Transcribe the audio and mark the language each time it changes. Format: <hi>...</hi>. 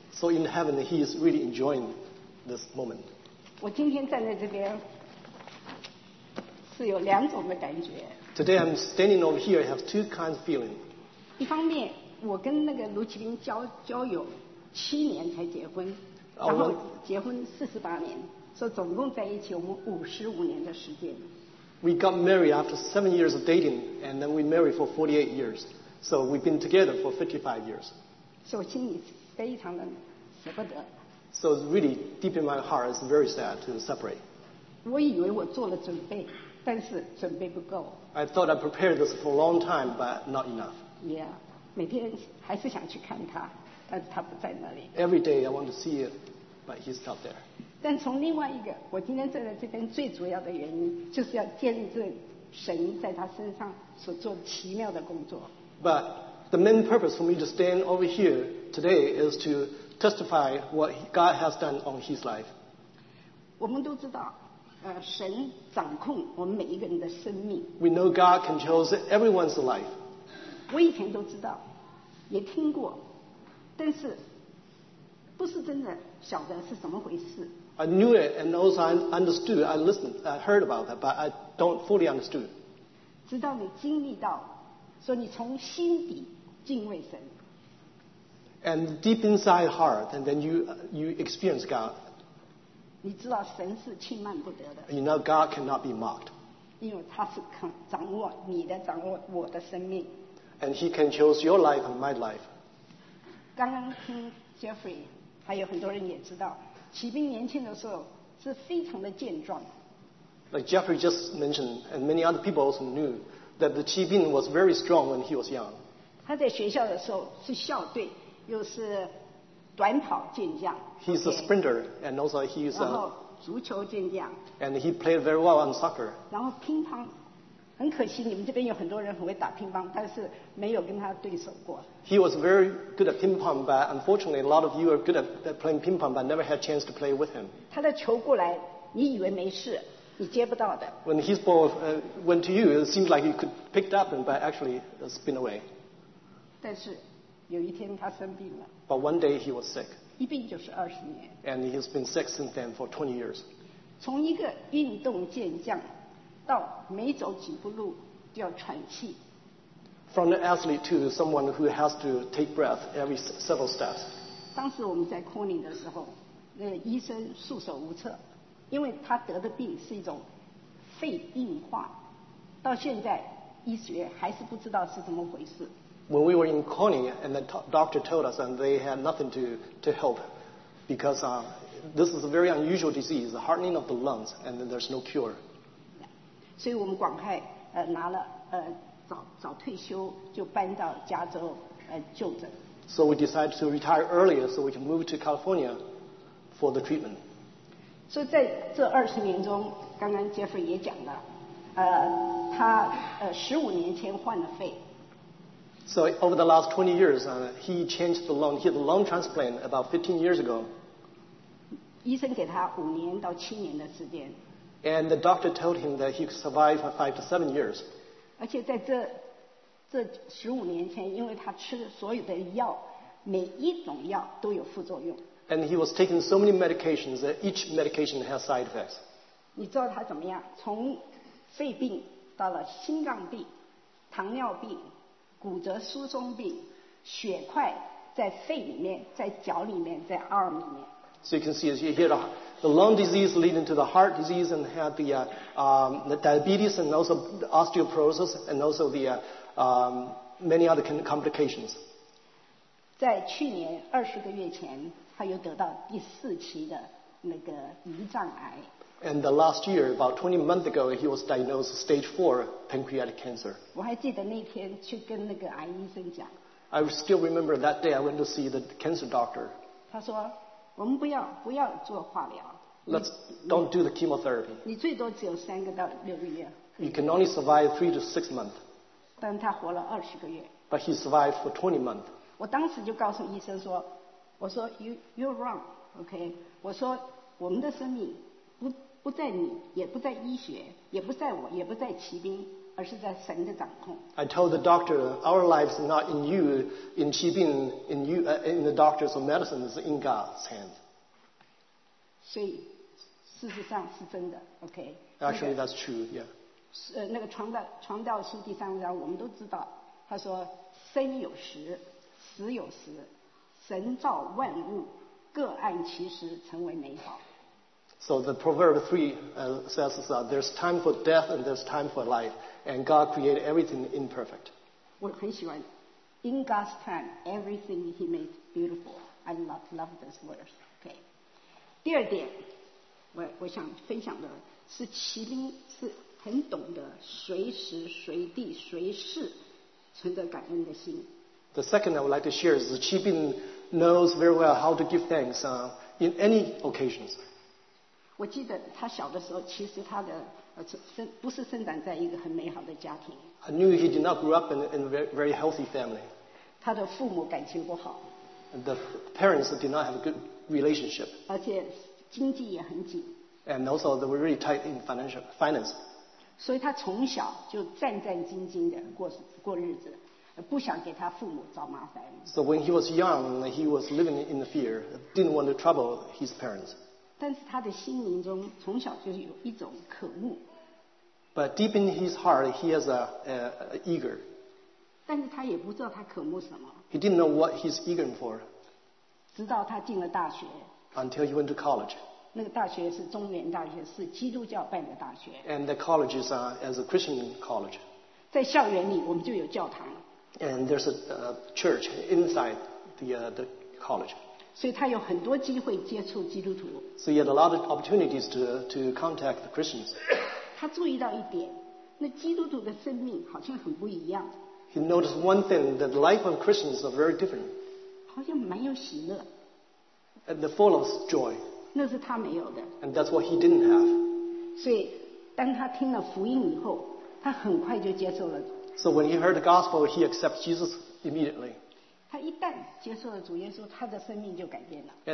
<en>So in heaven, he is really enjoying this moment.</en> <zh>我今天站在这边是有两种的感觉。</zh> <en>Today I'm standing over here. I have two kinds of feeling.</en> <zh>一方面，我跟那个卢麒麟 交友七年才结婚，然后结婚48年，所以总共在一起我们55年的时间。</zh> <en>We got married after 7 years of dating, and then we married for 48 years. So we've been together for 55 years.</en> <zh>So 心里非常的舍不得。</zh> <en>So really deep in my heart, it's very sad to separate.</en> <zh>我以为我做了准备，但是准备不够。</zh> <en>I thought I prepared this for a long time, but not enough.</en> <zh>Yeah, 每天还是想去看他，但是他不在那里。</zh> <en>Every day I want to see it, but he's not there.</en> <zh>但从另外一个，我今天站在这边最主要的原因，就是要见证神在他身上所做奇妙的工作。</zh> <en>But the main purpose for me to stand over here today is to testify what God has done on his life.</en> <zh>我们都知道，神掌控我们每一个人的生命。</zh> <en>We know God controls everyone's life.</en> <zh>我以前都知道，也听过，但是不是真的晓得是怎么回事。</zh> <en>I knew it and also I understood, I listened, I heard about that, but I don't fully understood.</en> <zh>直到你经历到，说你从心底敬畏神。</zh> <en>And deep inside heart, and then you experience God.</en> <zh>你知道神是轻慢不得的。</zh> <en>You know God cannot be mocked.</en> <zh>因为他是掌握你的，掌握我的生命。</zh> <en>And he can choose your life and my life.</en> <zh>刚刚听 Jeffrey, 还有很多人也知道。齐斌年轻的时候是非常的健壮。</zh> <en>Like Jeffrey just mentioned, and many other people also knew that the 齐斌 was very strong when he was young.</en> <zh>他在学校的时候是校队，又是短跑健将。</zh> <en>He's a sprinter, and also he's a</en> <zh>然后足球健将。</zh> <en>And he played very well on soccer.</en> <zh>然后乒乓，很可惜你们这边有很多人很会打乒乓，但是没有跟他对手过。</zh> <en>He was very good at ping pong, but unfortunately, a lot of you are good at playing ping pong, but never had a chance to play with him.</en> <zh>他的球过来，你以为没事，你接不到的。</zh> <en>When his ball went to you, it seemed like you could pick it up, but actually, it spinned away.</en> <zh>但是有一天他生病了。</zh> <en>But one day he was sick.</en> <zh>一病就是20年。</zh> <en>And he's been sick since then for 20 years.</en> <zh>从一个运动健将到每走几步路就要喘气。</zh> <en>From an athlete to someone who has to take breath every several steps.</en> <zh>当时我们在 Corning 的时候，医生束手无策，因为他得的病是一种肺硬化，到现在医学还是不知道是怎么回事。</zh> <en>When we were in Corning, and the doctor told us, and they had nothing to help, because this is a very unusual disease, the hardening of the lungs, and there's no cure.</en> <zh>所以我们赶快拿了早退休，就搬到加州就诊。</zh> <en>So we decided to retire earlier so we can move to California for the treatment.</en> <zh>所以在这20年中，刚刚 Jeffrey 也讲了，他15年前换了肺。</zh> <en>So over the last 20 years, he changed the lung. He had a lung transplant about 15 years ago.</en> <zh>医生给他5年到7年的时间。</zh> <en>And the doctor told him that he could survive for 5 to 7 years.</en> <zh>而且在这15年前，因为他吃所有的药，每一种药都有副作用。</zh> <en>And he was taking so many medications that each medication has side effects.</en> <zh>你知道他怎么样？从肺病到了心脏病、糖尿病、骨折疏松病、血块在肺里面、在脚里面、在 arm 里面。</zh> <en>So you can see it here. The lung disease leading to the heart disease and had the diabetes and also osteoporosis and also the many other complications.</en> <zh>在去年20个月前，他又得到第四期的那个胰脏癌。</zh> <en>And the last year, about 20 months ago, he was diagnosed stage 4 pancreatic cancer.</en> <zh>我还记得那天去跟那个癌医生讲。</zh> <en>I still remember that day I went to see the cancer doctor.</en> <zh>他说我们不要做化疗。</zh> <en>Let's don't do the chemotherapy.</en> <zh>你最多只有3个到6个月。</zh> <en>You can only survive 3 to 6 months.</en> <zh>但他活了20个月。</zh> <en>But he survived for 20 months.</en> <zh>我当时就告诉医生说，我说</zh> <en>you're wrong, OK,</en> <zh>我说我们的生命 不在你，也不在医学，也不在我，也不在骑兵，而是在神的掌控。</zh> <en>I told the doctor, our lives are not in you, in 骑兵 in, you,、in the doctors or medicine, it's in God's hand.</en> <zh>所以事实上是真的 OK,</zh> <en>actually that's true, yeah.</en> <zh>那个传道书第三章我们都知道，他说生有时，死有时，神造万物，各按其时成为美好。</zh> <en>So the proverb 3 says there's time for death and there's time for life, and God created everything imperfect.</en> <zh>我很喜欢</zh> <en>in God's time, everything He made beautiful. I love this verse. Okay.</en> <zh>第二点，我想分享的是麒麟是。很懂得随时随地随事存着感恩的心。</zh> <en>The second I would like to share is the Qibin knows very well how to give thanks in any occasions.</en> <zh>我记得他小的时候，其实他的不是生长在一个很美好的家庭。</zh> <en>I knew he did not grow up in a very healthy family.</en> <zh>他的父母感情不好。</zh> <en>The parents did not have a good relationship.</en> <zh>而且经济也很紧。</zh> <en>And also they were really tight in finance.</en> <zh>所以他从小就战战兢兢的 过日子，不想给他父母找麻烦。</zh> <en>So when he was young, he was living in fear, didn't want to trouble his parents.</en> <zh>但是他的心灵中从小就有一种渴慕。</zh> <en>But deep in his heart, he has a eager.</en> <zh>但是他也不知道他渴慕什么。</zh> <en>He didn't know what he's eager for.</en> <zh>直到他进了大学。</zh> <en>Until he went to college.</en> <zh>那个大学是中原大学，是基督教办的大学。</zh> <en>And the colleges are as a Christian college.</en> <zh>在校园里，我们就有教堂。</zh> <en>And there's a church inside the college.</en> <zh>所以他有很多机会接触基督徒。</zh> <en>So he had a lot of opportunities to contact the Christians.</en> <zh>他注意到一点，那基督徒的生命好像很不一样。</zh> <en>He noticed one thing that the life of Christians are very different.</en> <zh>好像蛮有喜乐。</zh> <en>And they're full of joy.</en> <zh>那是他没有的。</zh> <en>And that's what he didn't have.</en> <zh>所以当他听了福音以后，他很快就接受了。</zh> <en>So when he heard the gospel, he accepted Jesus immediately.</en> <zh>他一旦接受了主耶稣，他的生命就改变了。</zh>